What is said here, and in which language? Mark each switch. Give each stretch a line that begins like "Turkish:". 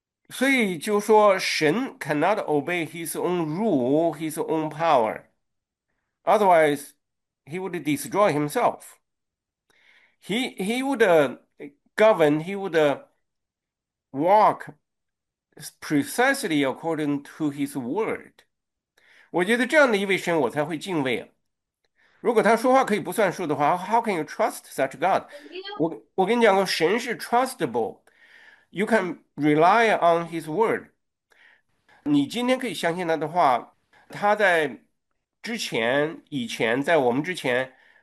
Chinese: 所以就说神
English: cannot obey his own rule, his own power. Otherwise, he would destroy himself. He would Govern, he would walk precisely according to his word。
Chinese: 我觉得这样的一位神，我才会敬畏啊。如果他说话可以不算数的话，
English: How can you trust such God？
Chinese: 我跟你讲过，神是
English: trustable，you can rely on his word。
Chinese: 你今天可以相信他的话，他在之前、以前，在我们之前。